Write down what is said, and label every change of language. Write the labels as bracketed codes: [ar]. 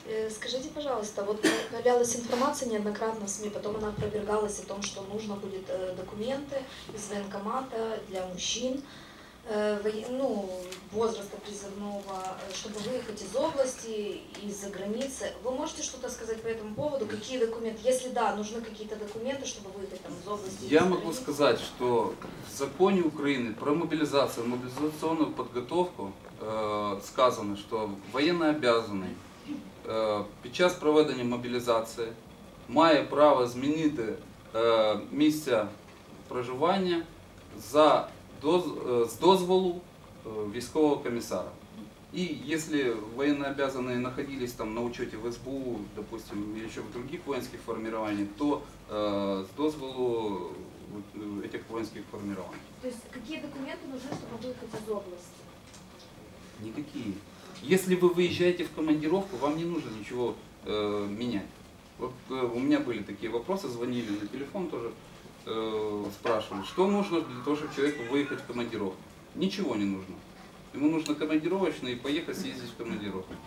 [ru] Скажите, пожалуйста, вот появлялась информация неоднократно в СМИ, потом она опровергалась о том, что нужно будет документы из военкомата для мужчин. ну, возраста призывного, чтобы выехать из области, из-за границы. Вы можете что-то сказать по этому поводу? Какие документы? Если да, нужны какие-то документы, чтобы выехать там, из области? Я могу сказать, что в законе Украины про мобилизацию, мобилизационную подготовку сказано, что военно обязанный [uk] під час проведення мобілізації має право змінити місце проживання з дозволу військового комісара. І якщо воєнно-об'язані знаходились там на учеті в СБУ, допустимо, чи в інших воєнських формуваннях, то з дозволу цих воєнських формувань. Тобто, які документи потрібні, щоб виїхати з області? Ніякі. [ru] Если вы выезжаете в командировку, вам не нужно ничего менять. Вот у меня были такие вопросы, звонили на телефон тоже, спрашивали, что нужно для того, чтобы человеку выехать в командировку. Ничего не нужно. Ему нужно командировочно и поехать съездить в командировку.